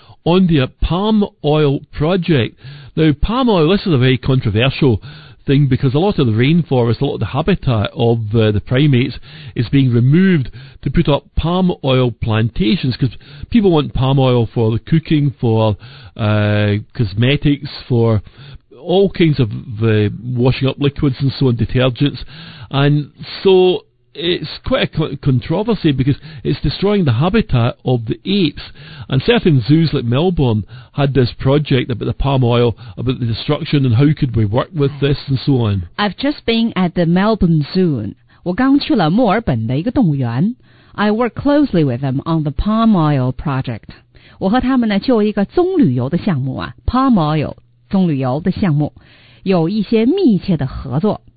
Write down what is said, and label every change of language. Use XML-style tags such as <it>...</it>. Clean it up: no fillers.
<en>on their palm oil project. Now, palm oil, this is a very controversial thing because a lot of the rainforest, a lot of the habitat of the primates is being removed to put up palm oil plantations because people want palm oil for the cooking, for cosmetics, for all kinds of washing up liquids and so on, detergents. And so it's quite a controversy because it's destroying the habitat of the apes. And certain zoos like Melbourne had this project about the palm oil, about the destruction and how could we work with this and so on. I've just been at the Melbourne Zoo.</en> <zh>我刚去了墨尔本的一个动物园。</zh> <en>I work closely with them on the palm oil project.</en> <zh>我和他们呢就一个棕榈油的项目啊 ,palm oil, 棕榈油的项目有一些密切的合作。</zh>